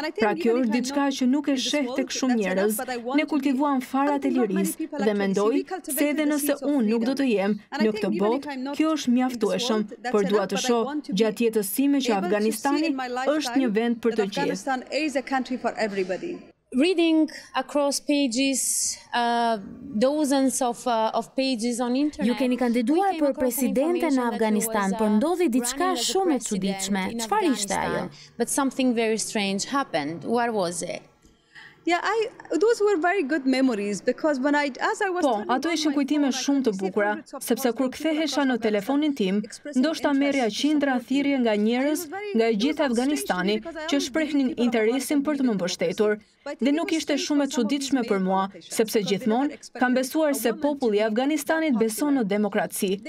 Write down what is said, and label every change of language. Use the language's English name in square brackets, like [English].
[Albanian] Pra kjo është diçka që nuk e sheh tek shumë njerëz. Ne kultivuam farat e lirisë dhe mendoj se edhe nëse unë nuk do të jem në këtë botë, kjo është mjaftueshëm, por dua të shoh gjatë jetës sime që Afganistani është një vend për të gjithë. [English] Reading across pages, dozens of pages on internet. [Albanian] Ju keni kandiduar për presidente në Afganistan, por ndodhi diçka shumë e çuditshme. Çfarë ishte ajo? [English] But something very strange happened. What was it? Yeah, those were very good memories because when I as I was [Albanian] Po, ato ishin kujtime shumë të bukura, sepse kur kthehesha në telefonin tim, ndoshta merrja qindra thirrje nga njerëz nga e gjithë Afganistani që shprehnin interesin për të më mbështetur. Dhe nuk ishte shumë e çuditshme për mua, sepse gjithmonë kam besuar se populli i Afganistanit beson në demokraci.